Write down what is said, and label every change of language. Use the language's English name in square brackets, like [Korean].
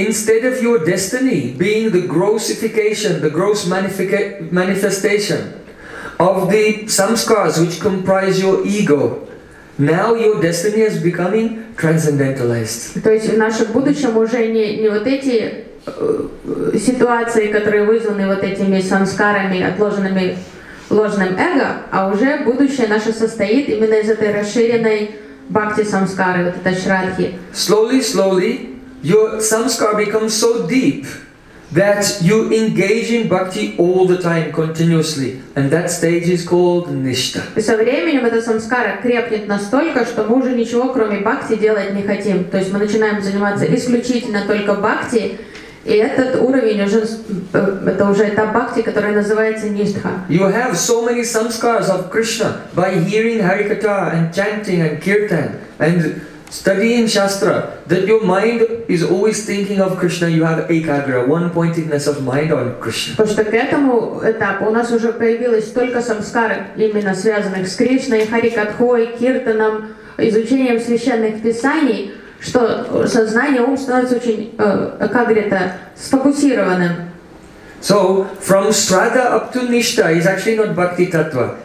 [English] Instead of your destiny being the grossification, the gross manifestation of the samskaras, which comprise your ego, now your destiny is becoming transcendentalized. [Russian] То есть в нашем будущем уже не вот эти ситуации, которые вызваны вот этими самскарами, отложенными ложным эго, а уже будущее наше состоит именно из этой расширенной бхакти самскары, вот этой шрадхи. [English] Slowly, slowly, your samskara becomes so deep that you engage in bhakti all the time, continuously. And that stage is called nishta. [Russian] Со временем эта самскара крепнет настолько, что мы уже ничего, кроме бхакти, делать не хотим. То есть мы начинаем заниматься исключительно только бхакти, и этот уровень уже, это уже этап бхакти, который называется ништха. [English] You have so many samskaras of Krishna by hearing Harikatha and chanting and kirtan and studying shastra, that your mind is always thinking of Krishna. You have ekagra, one-pointedness of mind on Krishna. [Russian] Потому что к этому этапу у нас уже появилось столько самскар, именно связанных с Кришной, Харикатхой, киртаном, изучением священных писаний, что сознание, ум становится очень, сфокусированным. [English] So, from Shraddha up to Nishta is actually not Bhakti Tattva.